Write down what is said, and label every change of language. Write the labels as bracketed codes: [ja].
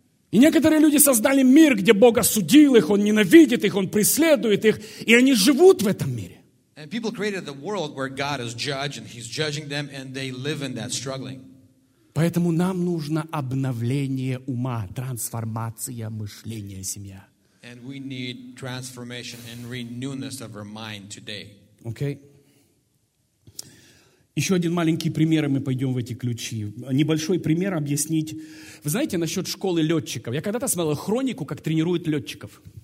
[ru] И некоторые люди создали мир, где Бог осудил их, Он ненавидит их, Он преследует их, и они живут в этом мире. [en] And people created the world where God is judge and he's judging them and they live in that struggling. [ru] Поэтому нам нужно обновление ума, трансформация мышления, семья. [en] And we need transformation and renewness of our mind today. Okay. [ru] Еще один маленький пример, и мы пойдем в эти ключи. Небольшой пример объяснить. Вы знаете, насчет школы летчиков. Я когда-то смотрел хронику, как тренируют летчиков.